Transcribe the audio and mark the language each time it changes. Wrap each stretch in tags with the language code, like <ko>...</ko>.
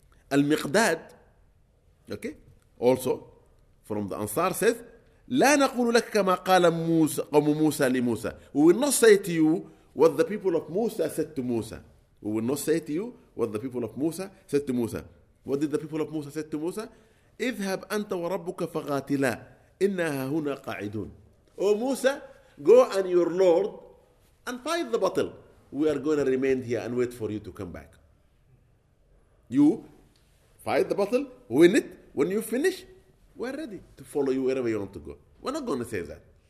<ar>Al-Miqdad,</ar> <en>okay, also from the Ansar says,</en> <ar>لا نقول لك كما قال موسى قوم موسى لموسى.</ar> <en>We will not say to you what the people of Musa said to Musa. We will not say to you what the people of Musa said to Musa. What did the people of Musa say to Musa?</en> <ar>اذهب أنت وربك فقاتلا إنها هنا قاعدون.</ar> <en>Oh Musa, go and your Lord and fight the battle. We are going to remain here and wait for you to come back. You fight the battle, win it. When you finish, we're ready to follow you wherever you want to go. We're not going to say that.</en>